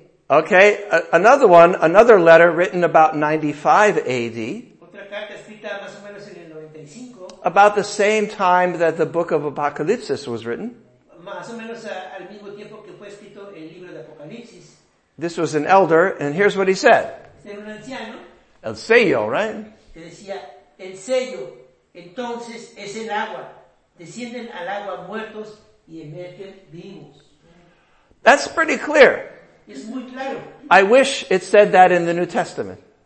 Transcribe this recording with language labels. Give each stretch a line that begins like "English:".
English: Okay, another one, another letter written about 95 AD.
Spanish: Otra carta escrita más o menos en el 95.
English: About the same time that the book of Apocalypse was written.
Spanish: Más o menos al mismo tiempo que fue escrito el libro de Apocalipsis.
English: This was an elder, and here's what he said.
Spanish: Era un anciano. El sello,
English: right?
Spanish: Que decía, el sello, entonces es el agua. Descienden al agua muertos y emergen vivos.
English: That's pretty clear.
Spanish: Es muy claro.
English: I wish it said that in the New Testament.